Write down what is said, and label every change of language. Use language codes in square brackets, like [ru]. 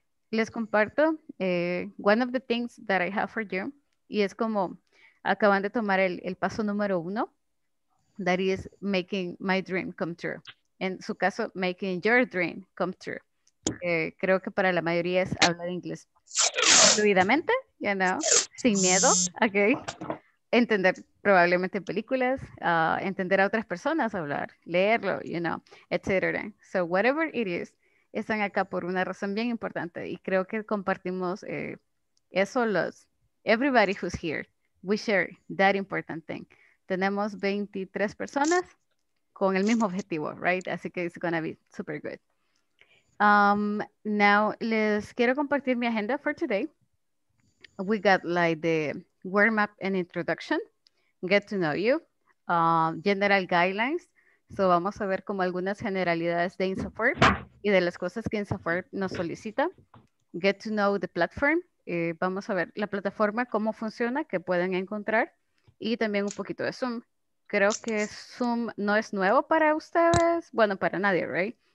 [es] Les comparto [en] one of the things that I have for you. [es] Y es como acaban de tomar el paso número uno. [en] That is making my dream come true. [es] En su caso, [en] making your dream come true. [es] Creo que para la mayoría es hablar inglés fluidamente, sin miedo, okay. Entender probablemente películas, entender a otras personas, hablar, leerlo, etc. [en] So, whatever it is, [es] están acá por una razón bien importante y creo que compartimos eso los, [en] everybody who's here, we share that important thing. [es] Tenemos 23 personas con el mismo objetivo, right? Así que [en] it's gonna be super good. Now, [es] les quiero compartir mi agenda [en] for today. We got like the warm up and introduction, get to know you, general guidelines. [es] So vamos a ver como algunas generalidades de Insofort y de las cosas que Insofort nos solicita. [en] Get to know the platform. [es] Vamos a ver la plataforma, cómo funciona, qué pueden encontrar y también un poquito de Zoom. Creo que Zoom no es nuevo para ustedes, bueno, para nadie, right?